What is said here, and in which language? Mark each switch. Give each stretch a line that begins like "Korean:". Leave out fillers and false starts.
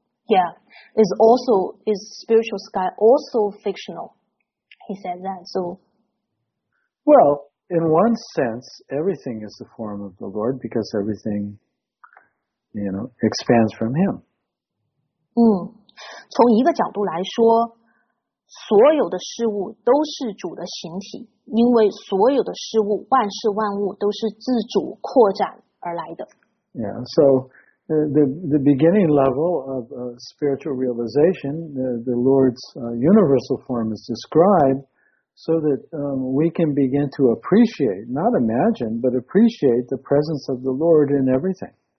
English: Yeah, is spiritual sky also fictional? He said that, so. Well, in one sense, everything is the form of the Lord because everything, you know, expands from him.
Chinese: 从一个角度来说，所有的事物都是主的形体，因为所有的事物万事万物都是自主扩展而来的。
English: Yeah, so the beginning level of spiritual realization, the Lord's universal form is described so that we can begin to appreciate, not imagine, but appreciate the presence of the Lord in everything.